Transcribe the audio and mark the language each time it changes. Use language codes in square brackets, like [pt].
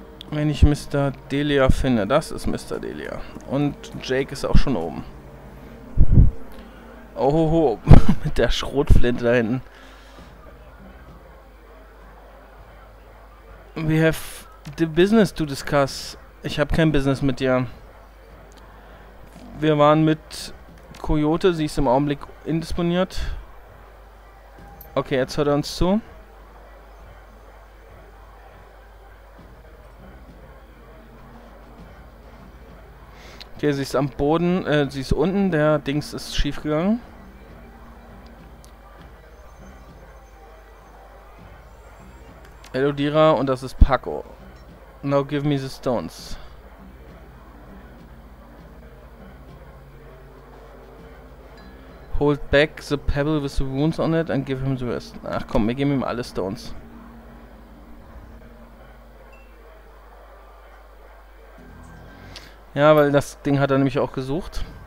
[de] Wenn ich Mr. Delia finde. Das ist Mr. Delia. Und Jake ist auch schon oben. Ohoho, mit der Schrotflinte da hinten. [en] We have the business to discuss. [de] Ich habe kein Business mit dir. Wir waren mit Coyote, sie ist im Augenblick indisponiert. Okay, jetzt hört er uns zu. Okay, sie ist am Boden, sie ist unten, der Dings ist schief gegangen. Elodira und das ist Paco. [en] Now give me the stones. Hold back the pebble with the wounds on it and give him the rest. [de] Ach komm, wir geben ihm alle Stones. Ja, weil das Ding hat er nämlich auch gesucht.